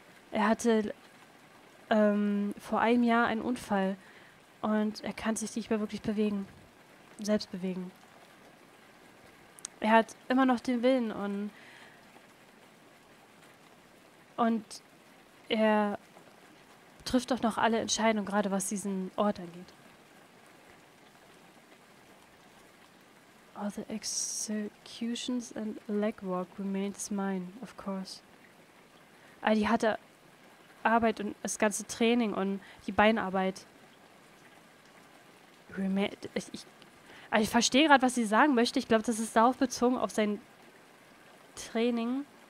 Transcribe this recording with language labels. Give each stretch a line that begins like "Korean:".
German: Er hatte vor einem Jahr einen Unfall und er kann sich nicht mehr wirklich bewegen. Selbst bewegen. Er hat immer noch den Willen und er trifft doch noch alle Entscheidungen, gerade was diesen Ort angeht.
English: All the executions and legwork remains mine, of course.
German: All die harte Arbeit und das ganze Training und die Beinarbeit. Ich verstehe gerade, was sie sagen möchte. Ich glaube, das ist darauf bezogen, auf sein Training.